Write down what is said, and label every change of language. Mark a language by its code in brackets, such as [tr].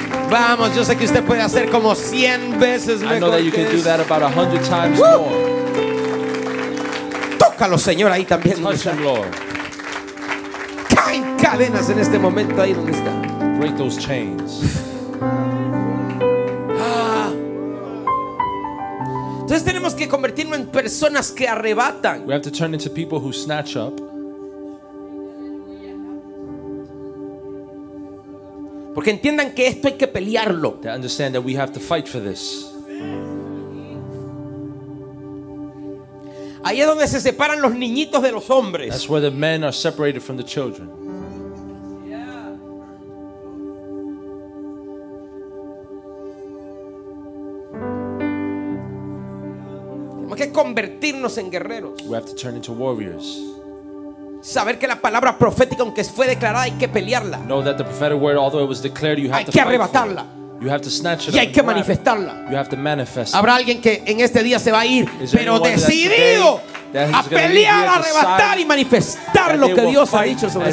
[es] Vamos, yo sé que usted puede hacer como 100 veces mejor. [en] I know that you can do that about 100 times more. [es] Tócalo, Señor, ahí también. [en] Touch him, Lord. [es] Caen cadenas en este momento ahí donde está. [en] Break those chains. [es] Entonces tenemos que convertirnos en personas que arrebatan. [en] We have to turn into people who snatch up. [es] Porque entiendan que esto hay que pelearlo. [en] They understand that we have to fight for this. [es] Ahí es donde se separan los niñitos de los hombres. [en] That's where the men are separated from the children. [es] Convertirnos en guerreros. [en] We have to turn into warriors. [es] Saber que la palabra profética, aunque fue declarada, hay que pelearla. [en] Know that the prophetic word, although it was declared, you have [es] to arrebatarla. [en] You have to snatch it [es] y hay [en] up [es] que manifestarla. [en] You have to manifest. [es] Habrá alguien que en este día se va a ir, pero decidido a pelear, arrebatar y manifestar lo que Dios ha dicho sobre